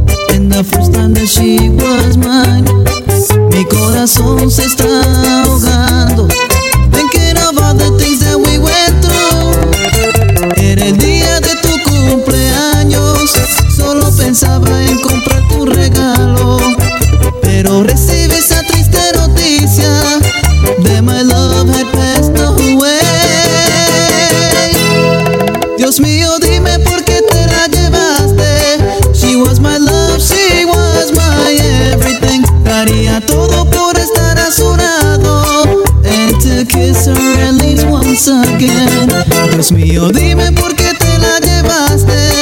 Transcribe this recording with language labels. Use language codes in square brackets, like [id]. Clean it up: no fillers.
[en] And the first time that she was mine. [es] Mi corazón se está ahogando. [en] Thinking of all the things that we went through. [es] En el día de tu cumpleaños, solo pensaba en comprar tu regalo. Pero recibí esa triste noticia. [en] That my love had passed away. [es] Dios mío, dime por qué te la llevaste. [en] She was my love, she was my everything. [es] Daría todo por estar a su lado. [en] And to kiss her at least once again. [es] Dios mío, dime por qué te la llevaste.